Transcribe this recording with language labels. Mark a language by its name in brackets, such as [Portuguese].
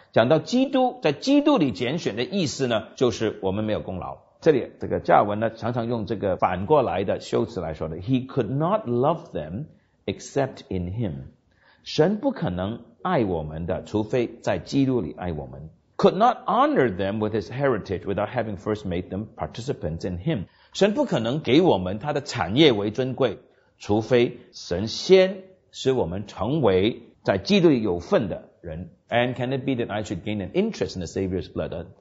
[Chinese] 讲到基督，在基督里拣选的意思呢，就是我们没有功劳。这里这个加尔文呢，常常用这个反过来的修辞来说的 ： [English] He could not love them except in Him。 [Chinese] 神不可能爱我们的，除非在基督里爱我们。 [English] Could not honor them with His heritage without having first made them participants in Him。 [Chinese] 神不可能给我们他的产业为尊贵，除非神先使我们成为在基督里有份的人。 [English] And can it be that I should gain an interest in the Savior's blood？